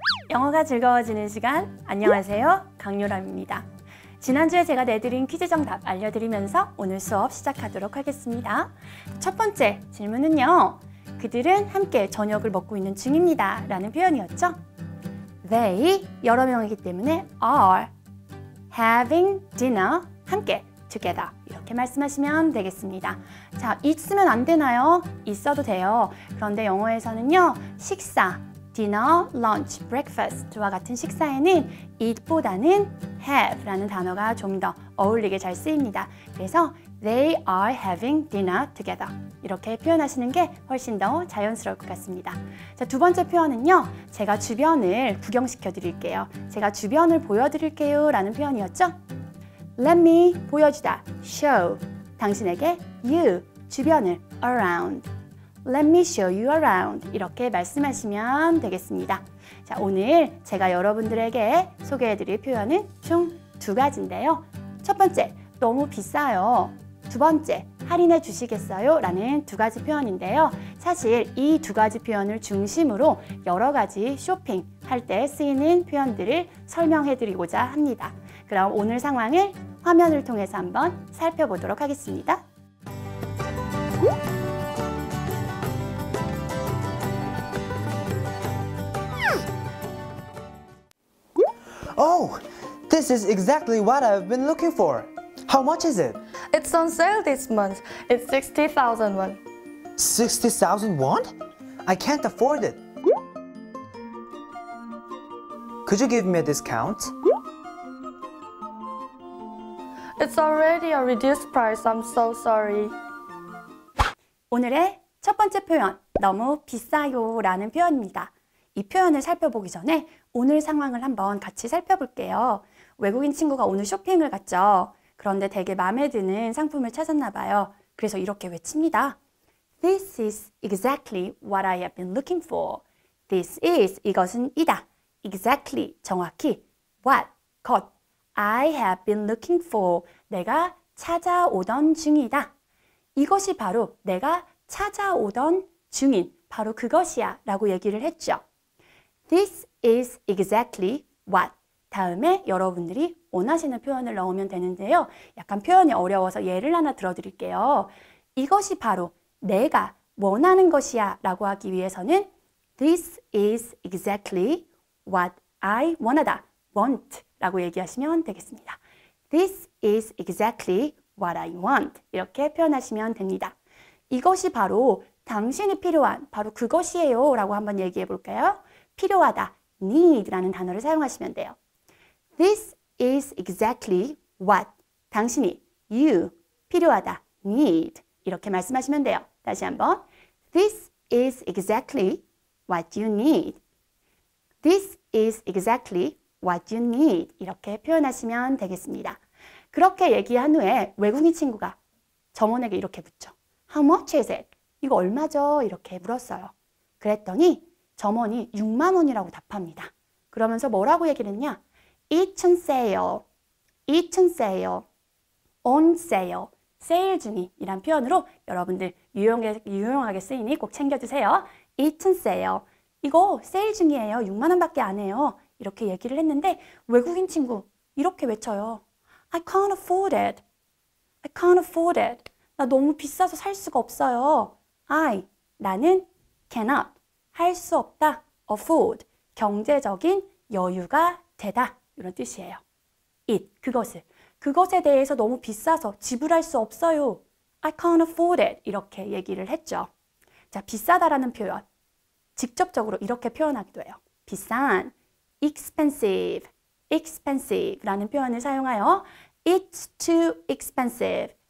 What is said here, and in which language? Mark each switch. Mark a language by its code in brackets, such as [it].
[ko] 영어가 즐거워지는 시간 안녕하세요. 강요람입니다. 지난주에 제가 내드린 퀴즈 정답 알려드리면서 오늘 수업 시작하도록 하겠습니다. 첫 번째 질문은요. 그들은 함께 저녁을 먹고 있는 중입니다. 라는 표현이었죠. [en] They, [ko] 여러 명이기 때문에 [en] are having dinner, [ko] 함께, [en] together. [ko] 이렇게 말씀하시면 되겠습니다. 자, 있으면 안 되나요? 있어도 돼요. 그런데 영어에서는요, 식사, dinner, lunch, breakfast와 같은 식사에는 it보다는 have라는 단어가 좀 더 어울리게 잘 쓰입니다. 그래서 [en] they are having dinner together. [ko] 이렇게 표현하시는 게 훨씬 더 자연스러울 것 같습니다. 자, 두 번째 표현은요. 제가 주변을 구경시켜 드릴게요. 제가 주변을 보여드릴게요 라는 표현이었죠. [en] Let me [ko] 보여주다. [en] Show [ko] 당신에게 [en] you [ko] 주변을 [en] around. Let me show you around. [ko] 이렇게 말씀하시면 되겠습니다. 자, 오늘 제가 여러분들에게 소개해드릴 표현은 총 두 가지인데요. 첫 번째, 너무 비싸요. 두 번째, 할인해 주시겠어요? 라는 두 가지 표현인데요. 사실 이 두 가지 표현을 중심으로 여러 가지 쇼핑할 때 쓰이는 표현들을 설명해드리고자 합니다. 그럼 오늘 상황을 화면을 통해서 한번 살펴보도록 하겠습니다. 오! [en] This is exactly what I've been looking for. How much is it? It's on sale this month. It's 60,000 won. 60,000 won? I can't afford it. Could you give me a discount? It's already a reduced price. I'm so sorry. [ko] 오늘의 첫 번째 표현, 너무 비싸요 라는 표현입니다. 이 표현을 살펴보기 전에 오늘 상황을 한번 같이 살펴볼게요. 외국인 친구가 오늘 쇼핑을 갔죠. 그런데 되게 마음에 드는 상품을 찾았나 봐요. 그래서 이렇게 외칩니다. [en] This is exactly what I have been looking for. This is, [ko] 이것은 이다. [en] Exactly, [ko] 정확히. [en] What, [ko] 것. [en] I have been looking for. [ko] 내가 찾아오던 중이다. 이것이 바로 내가 찾아오던 중인, 바로 그것이야 라고 얘기를 했죠. [en] This is exactly what. [ko] 다음에 여러분들이 원하시는 표현을 넣으면 되는데요. 약간 표현이 어려워서 예를 하나 들어드릴게요. 이것이 바로 내가 원하는 것이야 라고 하기 위해서는 [en] This is exactly what I wanted. [ko] Want 라고 얘기하시면 되겠습니다. [en] This is exactly what I want. [ko] 이렇게 표현하시면 됩니다. 이것이 바로 당신이 필요한 바로 그것이에요 라고 한번 얘기해 볼까요? 필요하다, need 라는 단어를 사용하시면 돼요. [en] This is exactly what [ko] 당신이, [en] you, [ko] 필요하다, [en] need [ko] 이렇게 말씀하시면 돼요. [en] 다시 한번 This is exactly what you need. This is exactly what you need. [ko] 이렇게 표현하시면 되겠습니다. 그렇게 얘기한 후에 외국인 친구가 점원에게 이렇게 묻죠. [en] How much is it? [ko] 이거 얼마죠? 이렇게 물었어요. 그랬더니 점원이 6만 원이라고 답합니다. 그러면서 뭐라고 얘기를 했냐? [en] It's on sale. It's on sale. On sale. [ko] Sale 중이란 표현으로 여러분들 유용하게 쓰이니 꼭 챙겨주세요. [en] It's on sale. [ko] 이거 세일 중이에요. 6만 원밖에 안 해요. 이렇게 얘기를 했는데 외국인 친구 이렇게 외쳐요. [en] I can't afford it. I can't afford it. [ko] 나 너무 비싸서 살 수가 없어요. 나는 cannot. 할 수 없다. Afford. 경제적인 여유가 되다. 이런 뜻이에요. It. 그것을. 그것에 대해서 너무 비싸서 지불할 수 없어요. [en] I can't afford it. [ko] 이렇게 얘기를 했죠. 자, 비싸다라는 표현. 직접적으로 이렇게 표현하기도 해요. 비싼. Expensive. [en] Expensive라는 [ko] 표현을 사용하여 [en] It's too expensive.